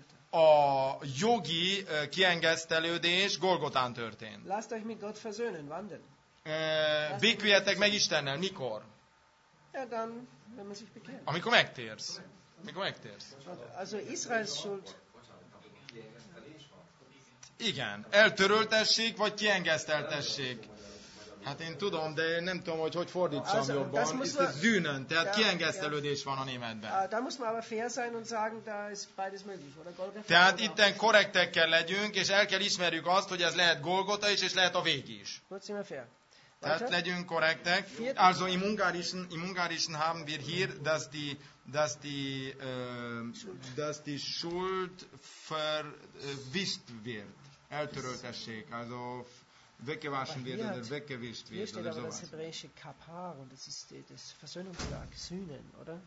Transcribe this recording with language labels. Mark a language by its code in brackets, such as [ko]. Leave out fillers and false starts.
[hu] A jogi kiengesztelődés Golgotán történt. [de] Lasst euch mit Gott versöhnen, wandeln. [hu] Béküljetek meg Istennel, mikor? [de] Ja, dann, wenn man sich bekehrt. [hu] Amikor megtérsz. Amikor megtérsz. [de] Also Israel schuld. [hu] Igen, eltöröltessék, vagy kiengeszteltessék. Hát én tudom, de én nem tudom, hogy fordítsam also, jobban. Ez a zűnön, tehát kiengesztelődés van a németben. [de] Da muss man aber fair sein und sagen, da ist beides möglich. [hu] Tehát itten korrektek kell legyünk, és el kell ismerjük azt, hogy ez lehet Golgota is, és lehet a vég is. Tehát legyünk korrektek. [de] Also im Ungarischen haben wir hier, dass die Schuld verwischt wird. Eltöröltessék, also... Weggewaschen wird oder weggewischt wird. Hier steht aber das hebräische Kapar und das ist das Versöhnungswerk, Sühnen, oder?